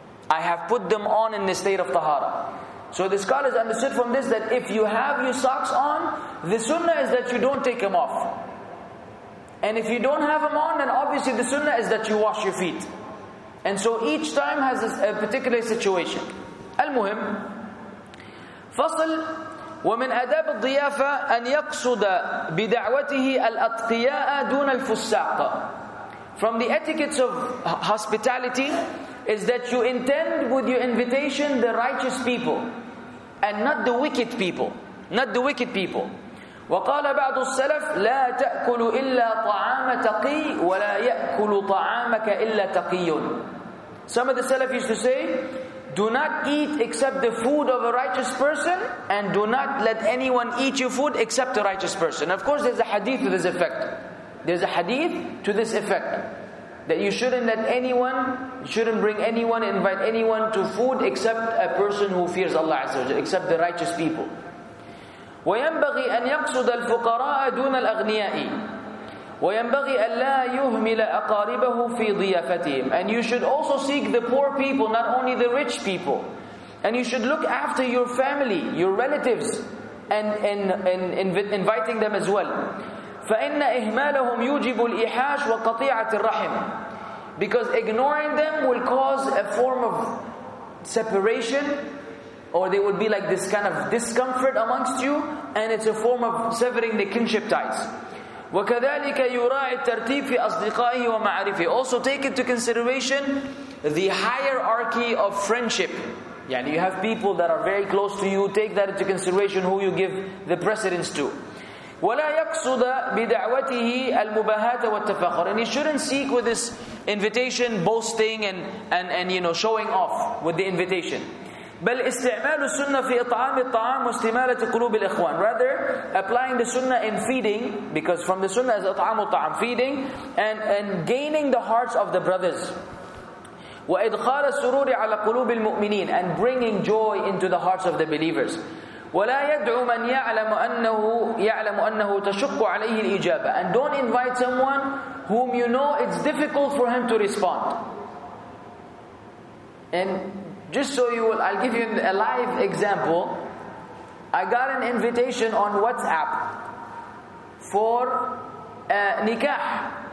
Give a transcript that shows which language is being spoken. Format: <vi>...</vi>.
<en>I have put them on in the state of tahara. So the scholars understood from this that if you have your socks on, the sunnah is that you don't take them off. And if you don't have them on, then obviously the sunnah is that you wash your feet. And so each time has a particular situation.</en> <ar>المهم فصل ومن أداب الضيافة أن يقصد بدعوته الأتقياء دون الفساق.</ar> <en>From the etiquettes of hospitality is that you intend with your invitation the righteous people and not the wicked people. Not the wicked people.</en> <ar>وقال بعض السلف لا تأكل إلا طعام تقي ولا يأكل طعامك إلا تقي.</ar> <en>Some of the Salaf used to say, Do not eat except the food of a righteous person, and do not let anyone eat your food except a righteous person. Of course, there's a hadith to this effect. There's a hadith to this effect that you shouldn't let anyone, you shouldn't bring anyone, invite anyone to food except a person who fears Allah Azza wa Jalla, except the righteous people.</en> <ar>وَيَنْبَغِي أَنْ يَقْصُدَ الْفُقَرَاءَ دُونَ الْأَغْنِيَاءِ وَيَنْبَغِي أَلَّا يُهْمِلَ أَقَارِبَهُ فِي ضِيَافَتِهِمْ.</ar> <en>And you should also seek the poor people, not only the rich people. And you should look after your family, your relatives, and inviting them as well.</en> <ar>فَإِنَّ إِهْمَالَهُمْ يُوجِبُ الْإِحَاشُ وَقَطِيعَةِ الرَّحِمِ.</ar> <en>Because ignoring them will cause a form of separation, or they will be like this kind of discomfort amongst you, and it's a form of severing the kinship ties.</en> <ar>وكذلك يراعى الترتيب في أصدقائه ومعارفه.</ar> <en>Also take into consideration the hierarchy of friendship. يعني you have people that are very close to you. Take that into consideration who you give the precedence to.</en> <ar>ولا يقصد بدعوته المباهات والتفاخر.</ar> <en>And he shouldn't seek with this invitation boasting and you know showing off with the invitation.</en> <ar>بل استعمال السنة في إطعام الطعام واستمالة قلوب الإخوان.</ar> <en>Rather, applying the sunnah in feeding, because from the sunnah is</en> <ar>إطعام الطعام,</ar> <en>feeding and gaining the hearts of the brothers.</en> <ar>وإدخال السرور على قلوب المؤمنين,</ar> <en>and bringing joy into the hearts of the believers.</en> <ar>ولا يدعو من يعلم أنه تشق عليه الإجابة.</ar> <en>And don't invite someone whom you know it's difficult for him to respond. And just so you will, I'll give you a live example. I got an invitation on WhatsApp for nikah.</en>